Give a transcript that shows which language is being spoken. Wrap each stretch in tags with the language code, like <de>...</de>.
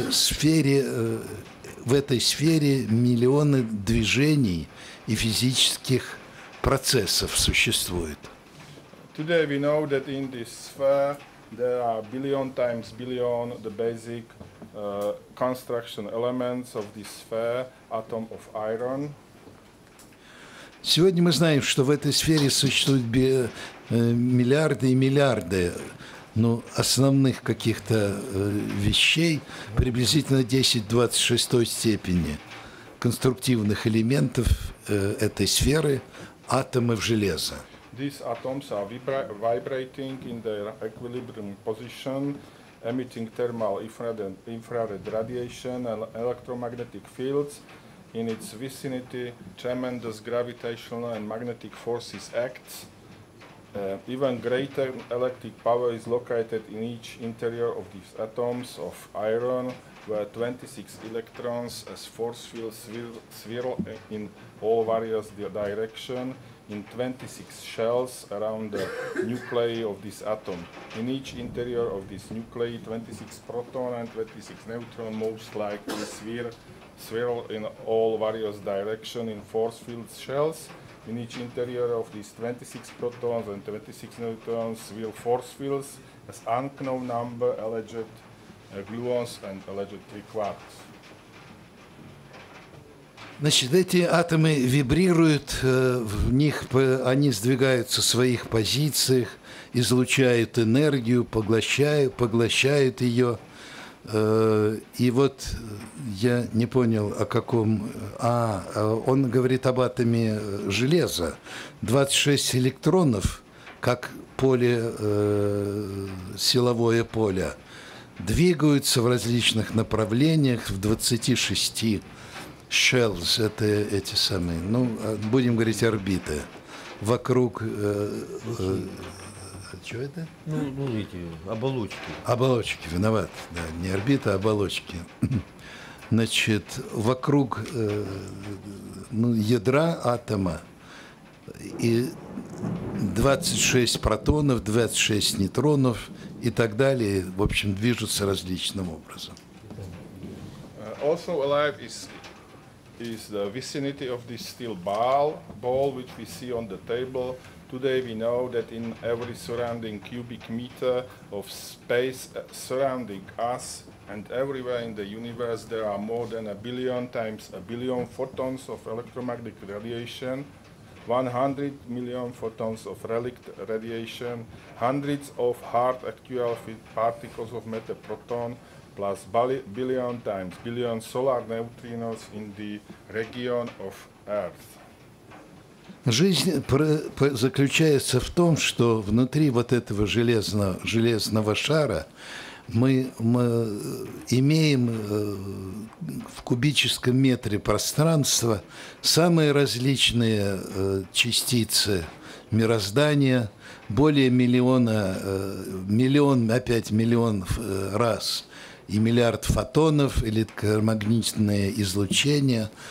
<ru>В этой сфере миллионы движений и физических процессов существует.</ru> <en>Today we know that in this sphere there are billion times billion the basic construction elements of this sphere, atom of iron.</en> <ru>Сегодня мы знаем, что в этой сфере существуют миллиарды и миллиарды основных каких-то вещей, приблизительно 10-26 степени конструктивных элементов этой сферы, атомов железа.</ru> <en>These atoms are vibrating in their equilibrium position, emitting thermal infrared radiation and electromagnetic fields. In its vicinity, tremendous gravitational and magnetic forces act. Even greater electric power is located in each interior of these atoms of iron, where 26 electrons as force fields swirl in all various directions. In 26 shells around the nuclei of this atom. In each interior of this nuclei, 26 protons and 26 neutrons most likely swirl in all various directions in force field shells. In each interior of these 26 protons and 26 neutrons swirl force fields as unknown number, alleged gluons and alleged quarks.</en> <ru>Значит, эти атомы вибрируют, в них они сдвигаются в своих позициях, излучают энергию, поглощают ее. И вот я не понял, о каком... он говорит об атоме железа. 26 электронов, как поле, силовое поле, двигаются в различных направлениях в 26 shells, это эти самые, будем говорить, орбиты, вокруг, что это? Эти, оболочки. Оболочки, виноват, да, не орбиты, а оболочки. Значит, вокруг ядра атома и 26 протонов, 26 нейтронов и так далее, в общем, движутся различным образом.</ru> <en>Also alive is the vicinity of this steel ball which we see on the table. Today we know that in every surrounding cubic meter of space surrounding us and everywhere in the universe there are more than a billion times a billion photons of electromagnetic radiation, 100 million photons of relict radiation, hundreds of hard actual particles of matter proton, plus billion times billion solar neutrinos in the region of Earth.</en> <ru>Жизнь заключается в том, что внутри вот этого железного шара мы имеем в кубическом метре пространства самые различные частицы мироздания, более миллион раз. И миллиард фотонов, электромагнитное излучение,</ru>